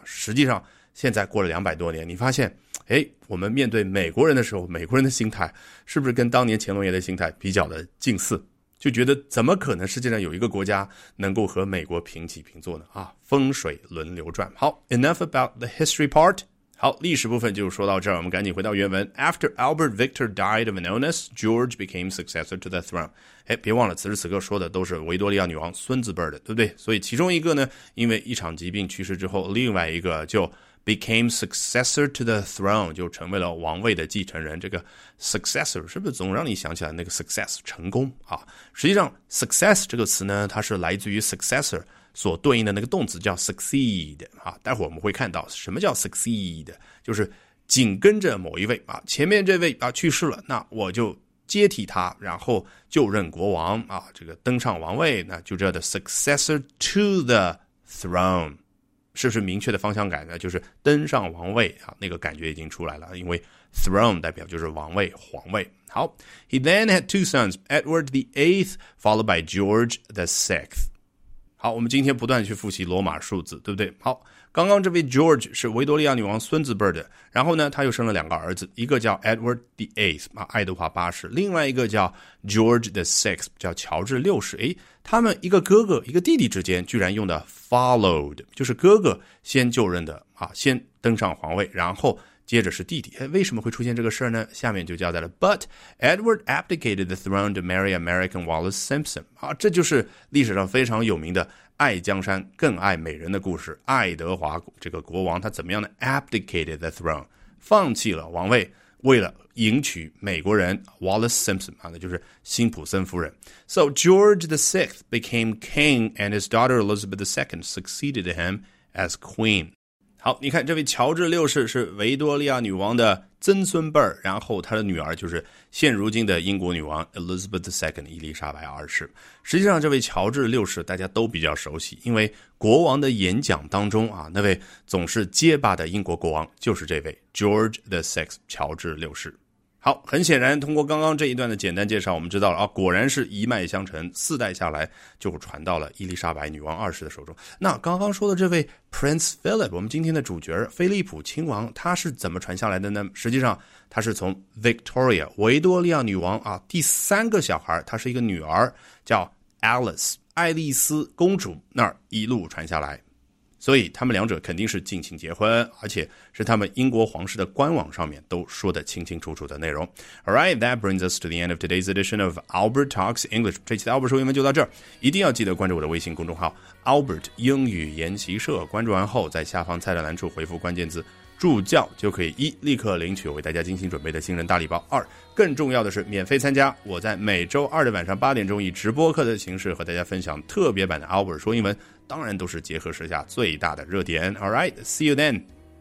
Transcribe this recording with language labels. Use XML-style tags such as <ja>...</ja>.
<zh>实际上现在过了200多年，你发现，哎，我们面对美国人的时候，美国人的心态是不是跟当年乾隆爷的心态比较的近似？就觉得怎么可能世界上有一个国家能够和美国平起平坐呢？啊，风水轮流转。好 ，</zh> <en>enough about the history part。</en> <zh>好，历史部分就说到这儿，我们赶紧回到原文。</zh> <en>After Albert Victor died of an illness, George became successor to the throne。</en> <zh>哎，别忘了，此时此刻说的都是维多利亚女王孙子辈的，对不对？所以其中一个呢，因为一场疾病去世之后，另外一个就</zh> <en>became successor to the throne，</en> <zh>就成为了王位的继承人。这个 successor 是不是总让你想起来那个 success 成功啊？实际上 success 这个词呢，它是来自于 successor 所对应的那个动词叫 succeed 啊。待会儿我们会看到什么叫 succeed， 就是紧跟着某一位啊，前面这位啊去世了，那我就接替他，然后就任国王啊，这个登上王位，那就叫的 successor to the throne。是不是明确的方向感呢？就是登上王位啊，那个感觉已经出来了，因为 throne 代表就是王位、皇位。</zh> <en>好 ，He then had two sons, Edward the Eighth, followed by George the Sixth。</en> <zh>好，我们今天不断去复习罗马数字，对不对？好，刚刚这位 George 是维多利亚女王孙子辈的，然后呢，他又生了两个儿子，一个叫 Edward the Eighth 啊，爱德华八世，另外一个叫 George the Sixth， 叫乔治六世。哎，他们一个哥哥一个弟弟之间居然用的 followed， 就是哥哥先就任的啊，先登上皇位，然后接着是弟弟。哎，为什么会出现这个事呢？下面就交代了。</zh> <en>But Edward abdicated the throne to marry American Wallace Simpson。</en> <zh>啊，这就是历史上非常有名的爱江山更爱美人的故事。爱德华这个国王他怎么样呢？</zh> <en>abdicated the throne，</en> <zh>放弃了王位，为了迎娶美国人 Wallace Simpson, 就是辛普森夫人。</zh> <en>So George VI became king and his daughter Elizabeth II succeeded him as queen.</en> <zh>好，你看这位乔治六世是维多利亚女王的曾孙辈，然后他的女儿就是现如今的英国女王 Elizabeth II 伊丽莎白二世。实际上这位乔治六世大家都比较熟悉，因为国王的演讲当中啊，那位总是结巴的英国国王就是这位 George VI 乔治六世。好，很显然通过刚刚这一段的简单介绍，我们知道了啊，果然是一脉相承，四代下来就传到了伊丽莎白女王二世的手中。那刚刚说的这位 Prince Philip, 我们今天的主角菲利普亲王，他是怎么传下来的呢？实际上他是从 Victoria, 维多利亚女王啊第三个小孩，他是一个女儿叫 Alice, 爱丽丝公主那儿一路传下来。所以他们两者肯定是近亲结婚，而且是他们英国皇室的官网上面都说得清清楚楚的内容。</zh> <en>Alright, that brings us to the end of today's edition of Albert Talks English.</en> <zh>这期的 Albert 说英文就到这儿，一定要记得关注我的微信公众号 Albert 英语研习社，关注完后在下方菜单栏处回复关键字助教，就可以一立刻领取为大家精心准备的新人大礼包，二更重要的是免费参加我在每周二的晚上八点钟以直播课的形式和大家分享特别版的 Albert 说英文，当然都是结合时下最大的热点。</zh> <en>Alright, see you then.</en>